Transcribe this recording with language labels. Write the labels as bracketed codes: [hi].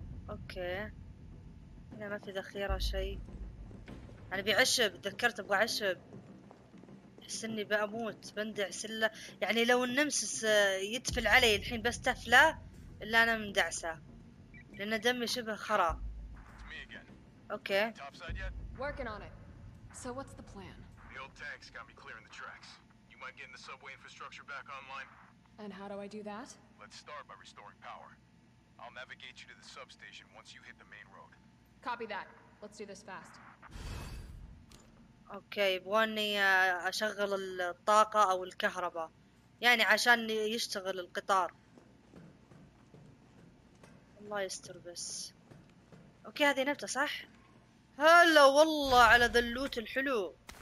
[ar] اوكي. هنا ما في ذخيرة شيء. انا بعشب تذكرت ابغى عشب. احس اني بموت بندع سلة يعني لو النمسس يتفل علي الحين بس تفلة الا انا مندعسة لان دمي شبه خرا. اوكي [en] working on it. So what's the plan? The old tanks got me clearing the tracks. You mind getting the subway infrastructure back online? And how do I do that? Let's start by restoring power. I'll navigate you to the substation once you hit the main road. Copy that. Let's do this fast. [ar] اوكي، يبغوني اشغل الطاقة او الكهرباء يعني عشان يشتغل القطار. الله يستر. بس اوكي، هذه نبتة صح؟ هلا والله على ذا اللوت الحلو.